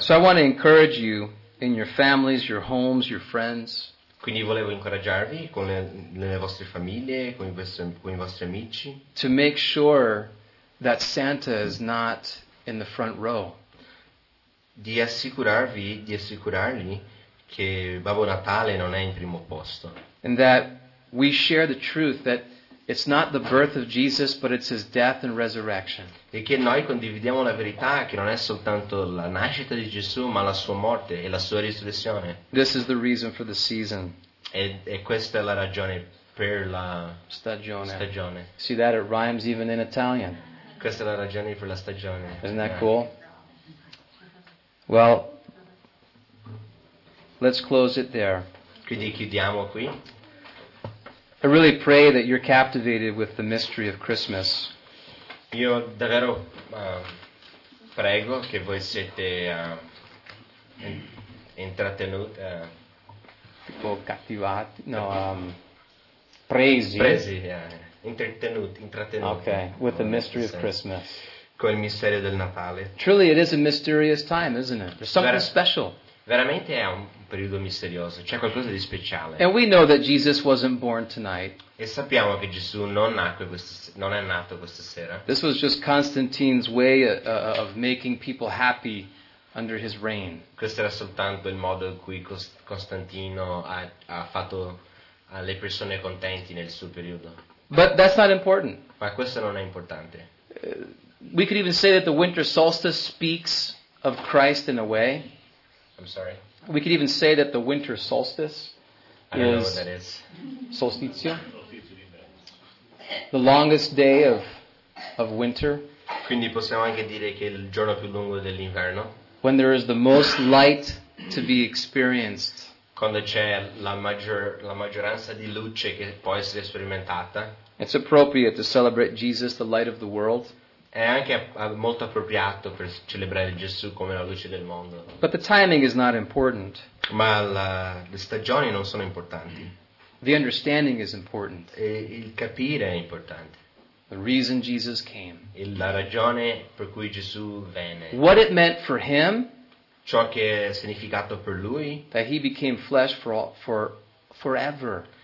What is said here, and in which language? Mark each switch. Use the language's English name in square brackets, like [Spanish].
[English] So I want to encourage you in your families, your homes, your friends. [Italian] Quindi volevo incoraggiarvi con le vostre famiglie, con i vostri amici. [English] To make sure that Santa is not in the front row. [Italian] Di assicurarli che Babbo Natale non è in primo posto. [English] And that we share the truth that it's not the birth of Jesus, but it's his death and resurrection. [Italian] E che noi condividiamo la verità che non è soltanto la nascita di Gesù, ma la sua morte e la sua risurrezione. [English] This is the reason for the season. [Italian] E questa è la ragione per la stagione. [English] See that it rhymes even in Italian. [Italian] Questa è la ragione per la stagione. [English] Isn't that cool? Well, let's close it there. [Italian] Quindi chiudiamo qui. [English] I really pray that you're captivated with the mystery of Christmas. [Italian] Io davvero prego che voi siete intrattenuti, tipo cattivati, no, presi. Presi, intrattenuti. [English] Okay, with the mystery of Christmas. [Italian] Con il mistero del Natale. [English] Truly, it is a mysterious time, isn't it? There's something special. [Italian] Veramente è un periodo misterioso, c'è qualcosa di speciale. [English] And we know that Jesus wasn't born tonight. [Italian] E sappiamo che Gesù non è nato questa sera. [English] This was just Constantine's way of making people happy under his reign. [Italian] Questo era soltanto il modo in cui Costantino ha fatto le persone contenti nel suo periodo. [English] But that's not important. [Italian] Ma questo non è importante. [English] We could even say that the winter solstice speaks of Christ in a way. I'm sorry. We could even say that the winter solstice is, I don't know what that is. Solstizio. The longest day of winter. [Italian] Quindi possiamo anche dire che il giorno più lungo dell'inverno. [English] When there is the most light to be experienced. [Italian] Quando c'è la maggioranza di luce che può essere sperimentata. [English] It's appropriate to celebrate Jesus, the light of the world. [Italian] È anche molto appropriato per celebrare Gesù come la luce del mondo. [English] But the timing is not important. [Italian] Ma le stagioni non sono importanti. [English] The understanding is important. [Italian] E il capire è importante. [English] The reason Jesus came. [Italian] E la ragione per cui Gesù venne. [English] What it meant for him. [Italian] Ciò che è significato per lui. [English] That he became flesh forever.